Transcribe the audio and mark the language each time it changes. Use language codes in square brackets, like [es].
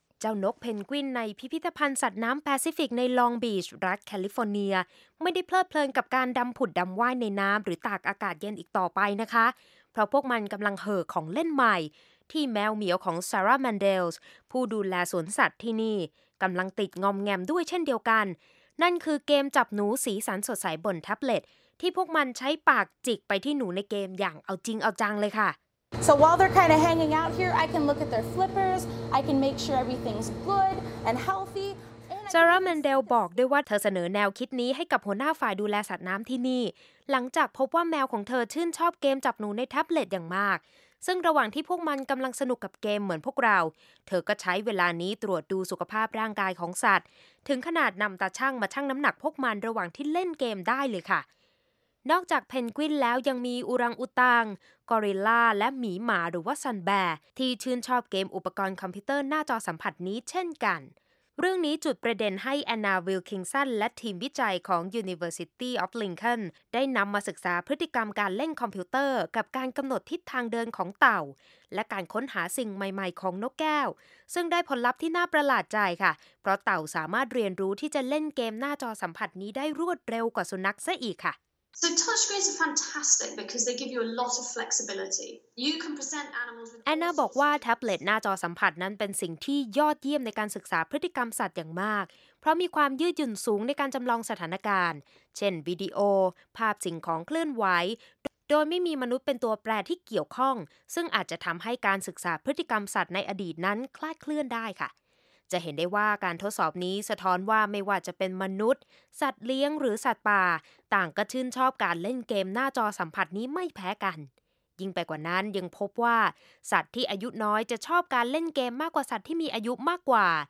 [th] เจ้านกเพนกวินในพิพิธภัณฑ์สัตว์น้ำแปซิฟิกในลองบีชรัฐแคลิฟอร์เนียไม่ได้เพลิดเพลินกับการดำผุดดำว่ายในน้ำหรือตากอากาศเย็นอีกต่อไปนะคะเพราะพวกมันกำลังเห่อของเล่นใหม่ที่แมวเหมียวของซาร่าแมนเดลส์ผู้ดูแลสวนสัตว์ที่นี่กำลังติดงอมแงมด้วยเช่นเดียวกันนั่นคือเกมจับหนูสีสันสดใสบนแท็บเล็ตที่พวกมันใช้ปากจิกไปที่หนูในเกมอย่างเอาจริงเอาจังเลยค่ะ [en] So while they're kind of hanging out here I can look at their flippers I can make sure everything's good and healthy [th] ซาร่าแมนเดลบอกด้วยว่าเธอเสนอแนวคิดนี้ให้กับหัวหน้าฝ่ายดูแลสัตว์น้ำที่นี่หลังจากพบว่าแมวของเธอชื่นชอบเกมจับหนูในแท็บเล็ตอย่างมากซึ่งระหว่างที่พวกมันกำลังสนุกกับเกมเหมือนพวกเราเธอก็ใช้เวลานี้ตรวจดูสุขภาพร่างกายของสัตว์ถึงขนาดนำตาชั่งมาชั่งน้ำหนักพวกมันระหว่างที่เล่นเกมได้เลยค่ะ นอกจากเพนกวินแล้วยังมีอุรังอุตังกอริลลาและหมีหมาหรือว่าซันแบร์ที่ชื่นชอบเกมอุปกรณ์คอมพิวเตอร์หน้าจอสัมผัสนี้เช่นกันเรื่องนี้จุดประเด็นให้แอนนาวิลคิงสันและทีมวิจัยของ University of Lincoln ได้นำมาศึกษาพฤติกรรมการเล่นคอมพิวเตอร์กับการกำหนดทิศทางเดินของเต่าและการค้นหาสิ่งใหม่ๆของนกแก้วซึ่งได้ผลลัพธ์ที่น่าประหลาดใจค่ะเพราะเต่าสามารถเรียนรู้ที่จะเล่นเกมหน้าจอสัมผัสนี้ได้รวดเร็วกว่าสุนัขซะอีกค่ะ [en] So touchscreens are fantastic because they give you a lot of flexibility. You can present animals with. [th] Anna บอกว่าแท็บเล็ตหน้าจอสัมผัสนั้นเป็นสิ่งที่ยอดเยี่ยมในการศึกษาพฤติกรรมสัตว์อย่างมากเพราะมีความยืดหยุ่นสูงในการจำลองสถานการณ์เช่นวิดีโอภาพสิ่งของเคลื่อนไหว โดยไม่มีมนุษย์เป็นตัวแปรที่เกี่ยวข้องซึ่งอาจจะทำให้การศึกษาพฤติกรรมสัตว์ในอดีตนั้นคลาดเคลื่อนได้ค่ะจะเห็นได้ว่าการทดสอบนี้สะท้อนว่าไม่ว่าจะเป็นมนุษย์สัตว์เลี้ยงหรือสัตว์ป่าต่างก็ชื่นชอบการเล่นเกมหน้าจอสัมผัสนี้ไม่แพ้กันยิ่งไปกว่านั้นยังพบว่าสัตว์ที่อายุน้อยจะชอบการเล่นเกมมากกว่าสัตว์ที่มีอายุมากกว่า